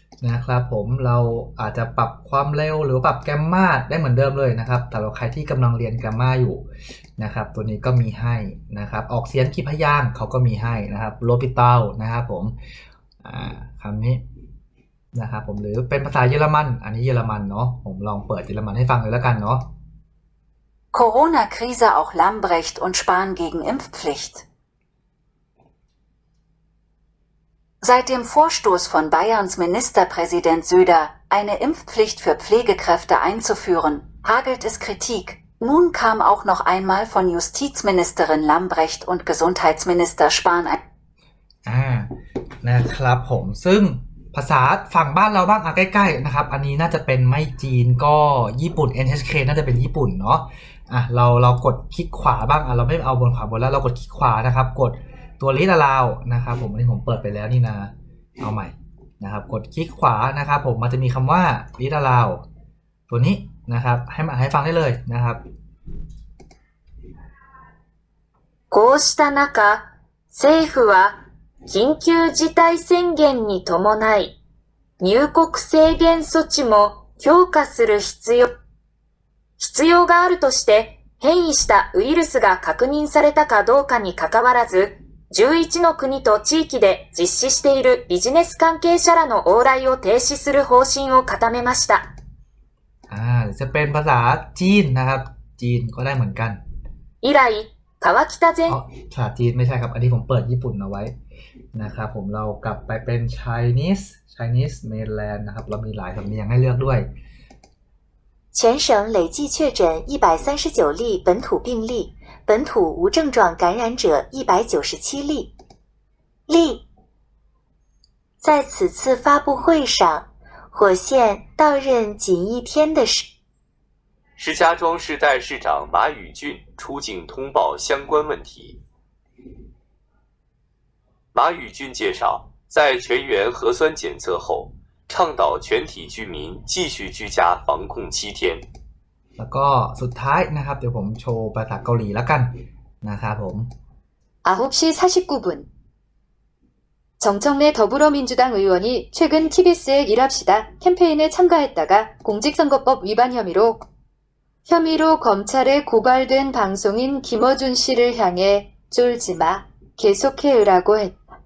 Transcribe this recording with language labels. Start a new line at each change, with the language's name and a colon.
Thai: นะครับผมเราอาจจะปรับความเร็วหรือปรับแกรมมาได้เหมือนเดิมเลยนะครับแต่เราใครที่กำลังเรียนแกรมมาอยู่นะครับตัวนี้ก็มีให้นะครับออกเสียงคีพยางค์เขาก็มีให้นะครับโลปิตาลนะครับผมคำนี้นะครับผมหรือเป็นภาษาเยอรมันอันนี้เยอรมันเนาะผมลองเปิดเยอรมันให้ฟังเลยแล้วกันเนาะ
German: Corona Krise auch Lambrecht und Spahn gegen ImpfpflichtSeit dem Vorstoß von Bayerns Ministerpräsident Söder, eine Impfpflicht für Pflegekräfte einzuführen, hagelt es Kritik. Nun kam auch noch einmal von Justizministerin Lambrecht und Gesundheitsminister Spahn ein...
Thai: นะครับผมซึ่งภาษาฝั่งบ้านเราบ้างใกล้ๆนะครับอันนี้น่าจะเป็นไม่จีนก็ญี่ปุ่น NHK น่าจะเป็นญี่ปุ่นเนาะอ่ะเรากดคลิกขวาบ้างเราไม่เอาบนขวาบนแล้วเรากดคลิกขวานะครับกดตัวลิสต์ลาวนะครับผมอันนี้ผมเปิดไปแล้วนี่นะเอาใหม่นะครับกดคลิกขวานะครับผมมันจะมีคำว่าลิสต์ลาวตัวนี้นะครับให้มาให้ฟังได้เลยนะครับ
Japanese: こうした中政府は緊急事態宣言に伴い入国制限措置も強化する必要があるとして変異したウイルスが確認されたかどうかに関わらず11の国と地域で実施しているビジネス関係者らの往来を停止する方針を固めました。
Thai: จะเป็นภาษาจีนนะครับจีนก็ได้เหมือนกัน。以来、川北全。 ภาษาจีนไม่ใช่ครับอันนี้ผมเปิดญี่ปุ่นเอาไว้นะครับผมเรากลับไปเป็น
English: Chinese mainland
Thai: นะครับเรามีหลายสำเนียงให้เลือกด้วย。
Chinese: 全省累计确诊139例本土病例。本土无症状感染者197例。例在此次发布会上，火线到任仅一天的时，石家庄市代市长马宇俊出境通报相关问题。马宇俊介绍，在全员核酸检测后，倡导全体居民继续居家防控七天。
Thai: แล้วก็สุดท้ายนะครับเดี๋ยวผมโชว์ภาษาเกาหลีแล้วกันนะครับผม
Korean: 9시49분정청래더불어민주당의원이최근 TBS 의일합시다캠페인에참가했다가공직선거법위반혐의로검찰에고발된방송인김어준씨를향해쫄지마계속해으라고했다